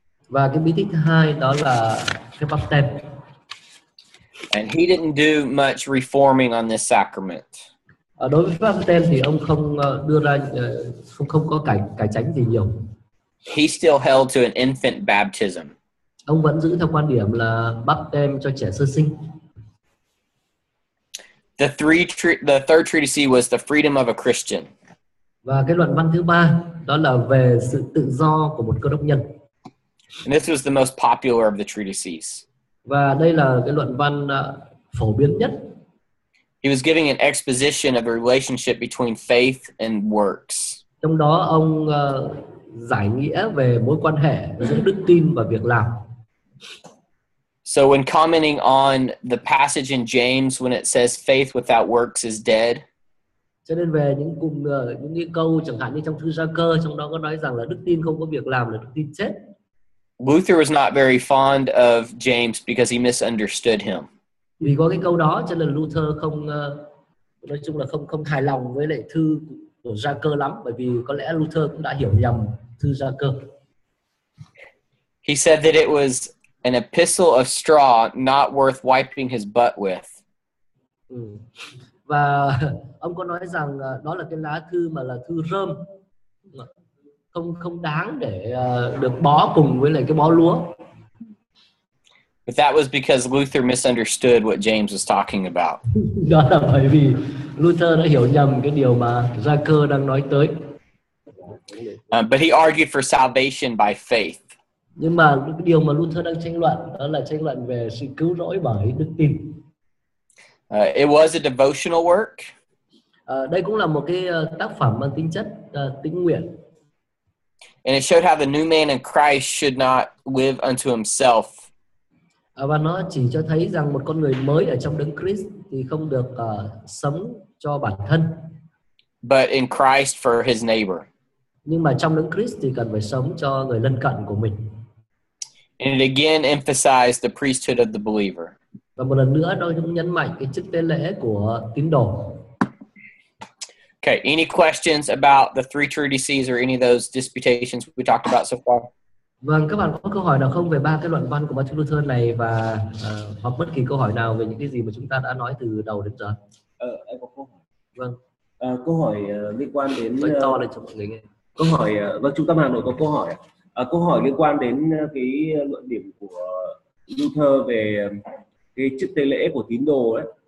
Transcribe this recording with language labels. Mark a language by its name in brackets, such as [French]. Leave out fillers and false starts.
[Vietnamese] Và cái bí tích hai đó là cái báp têm. [English] And he didn't do much reforming on this sacrament. [Vietnamese] Đối với báp têm thì ông không đưa ra không có cải chánh gì nhiều. [English] He still held to an infant baptism. [Vietnamese] Ông vẫn giữ theo quan điểm là báp têm cho trẻ sơ sinh. [English] The third treatise was the freedom of a Christian. [Vietnamese] Và cái luận văn thứ ba đó là về sự tự do của một Cơ Đốc nhân. [English] And this was the most popular of the treatises. [Vietnamese] Và đây là cái luận văn phổ biến nhất. [English] He was giving an exposition of the relationship between faith and works. [Vietnamese] Trong đó ông giải nghĩa về mối quan hệ giữa đức tin và việc làm. [English] So when commenting on the passage in James when it says faith without works is dead. [Vietnamese] Cho nên về những cụm những cái câu chẳng hạn như trong thư Gia Cơ, trong đó có nói rằng là đức tin không có việc làm là đức tin chết. [English] Luther was not very fond of James because he misunderstood him. [Vietnamese] Vì có cái câu đó cho nên Luther không nói chung là không hài lòng với lại thư của Gia Cơ lắm, bởi vì có lẽ Luther cũng đã hiểu nhầm thư Gia Cơ. [English] He said that it was an epistle of straw not worth wiping his butt with. [Vietnamese] Và ông có nói rằng đó là cái lá thư mà là thư rơm, không đáng để được bó cùng với lại cái bó lúa. [English] But that was because Luther misunderstood what James was talking about. [Vietnamese] Đó là bởi vì Luther đã hiểu nhầm cái điều mà Gia Cơ đang nói tới. [English] But he argued for salvation by faith. [Vietnamese] Nhưng mà cái điều mà Luther đang tranh luận đó là tranh luận về sự cứu rỗi bởi đức tin. [English] It was a devotional work. [Vietnamese] Đây cũng là một cái tác phẩm mang tính chất tín nguyện. [English] And it showed how the new man in Christ should not live unto himself. [Vietnamese] Và nó chỉ cho thấy rằng một con người mới ở trong Đấng Christ thì không được sống cho bản thân. [English] But in Christ for his neighbor. [Vietnamese] Nhưng mà trong Đấng Christ thì cần phải sống cho người lân cận của mình. [English] And it again emphasized the priesthood of the believer. [Vietnamese] Và một lần nữa nó cũng nhấn mạnh cái chức tế lễ của tín đồ. [English] Okay, any questions about the three treatises or any of those disputations we talked about so far? [Vietnamese] Vâng, các bạn có câu hỏi nào không về ba cái luận văn của Martin Luther này và hoặc bất kỳ câu hỏi nào về những cái gì mà chúng ta đã nói từ đầu đến giờ? Em có câu hỏi. Vâng. Câu hỏi liên quan đến... Nói to lên cho mọi người nghe. Câu hỏi... Vâng, Trung tâm Hà Nội có câu hỏi. Câu hỏi liên quan đến cái luận điểm của Luther về cái chức tế lễ của tín đồ ấy.